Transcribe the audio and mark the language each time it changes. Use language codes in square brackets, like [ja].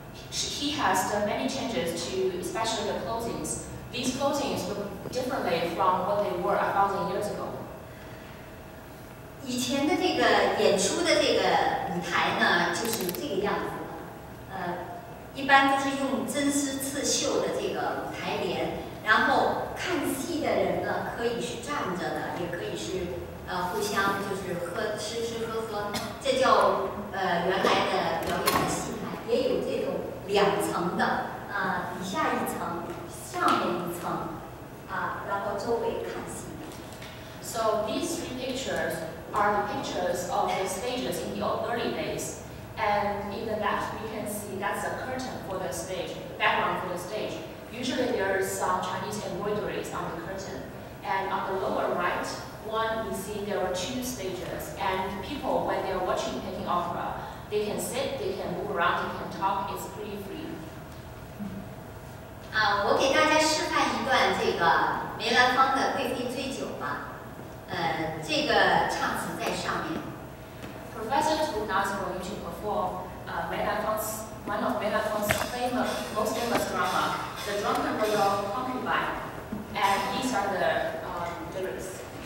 [en] He has done many changes to especially the clothings. These clothings look differently from what they were 1,000 years ago. [zh] 以前的这个演出的这个舞台呢，就是这个样子的，一般都是用真丝刺绣的这个台帘，然后看戏的人呢，可以是站着的，也可以是互相就是吃吃喝喝，这叫原来的表演的戏台，也有这种两层的，底下一层，上面一层，然后周围看戏。 [en] So these pictures are the pictures of the stages in the early days. And in the left, we can see that's a curtain for the stage, background for the stage. Usually there is some Chinese embroideries on the curtain. And on the lower right, one, we see there are two stages. And people, when they are watching Peking Opera, they can sit, they can move around, they can talk, it's pretty free. [zh] 我给大家示范一段这个梅兰芳的贵妃醉酒吧，这个唱词在上面。 [en] Professor is going to perform one of梅兰芳's famous, most famous drama, The Drunken Royal Concubine, and these are the lyrics.